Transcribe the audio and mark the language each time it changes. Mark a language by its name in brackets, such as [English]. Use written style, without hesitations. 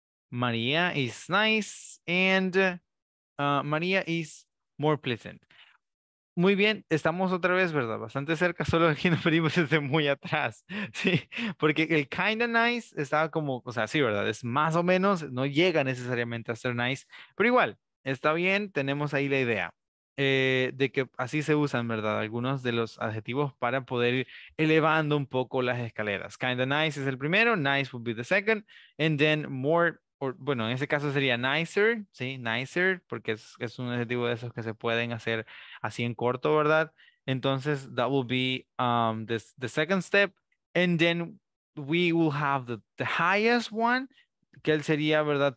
[English] Maria is nice and Maria is more pleasant. [Spanish] Muy bien, estamos otra vez, ¿verdad? Bastante cerca, solo aquí nos venimos desde muy atrás, ¿sí? Porque el [English] kind of nice [Spanish] estaba como, o sea, sí, ¿verdad? Es más o menos, no llega necesariamente a ser nice, pero igual, está bien, tenemos ahí la idea de que así se usan, ¿verdad? Algunos de los adjetivos para poder ir elevando un poco las escaleras. [English] Kind of nice [Spanish] es el primero, [English] nice would be the second, and then more. [Spanish] Or, bueno, en ese caso sería nicer, ¿sí? Nicer, porque es un adjetivo de esos que se pueden hacer así en corto, ¿verdad? [English] Entonces, that will be the second step. And then we will have the highest one, [Spanish] que él sería, ¿verdad?